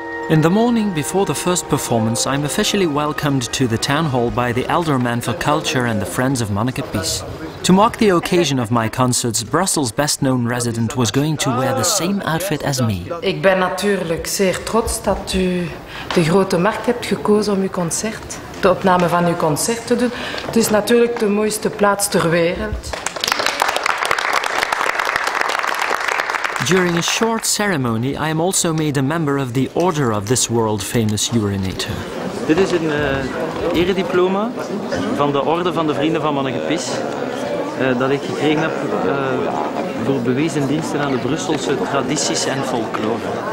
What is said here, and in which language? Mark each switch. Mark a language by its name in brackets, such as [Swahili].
[English] In the morning before the first performance, I'm officially welcomed to the town hall by the Elder Man for Culture and the Friends of Monica Peace. To mark the occasion of my concerts, Brussels' best-known resident was going to wear the same outfit as me. [Dutch] Ik ben natuurlijk zeer trots dat u de Grote Markt hebt gekozen om uw concert, de opname van uw concert te doen. Het is natuurlijk de mooiste plaats ter wereld. [English] During a short ceremony, I am also made a member of the order of this world-famous urinator. [Dutch] Dit is een erediploma van de Orde van de Vrienden van Monica Peace. Dat ik gekregen heb voor bewezen diensten aan de Brusselse tradities en folklore.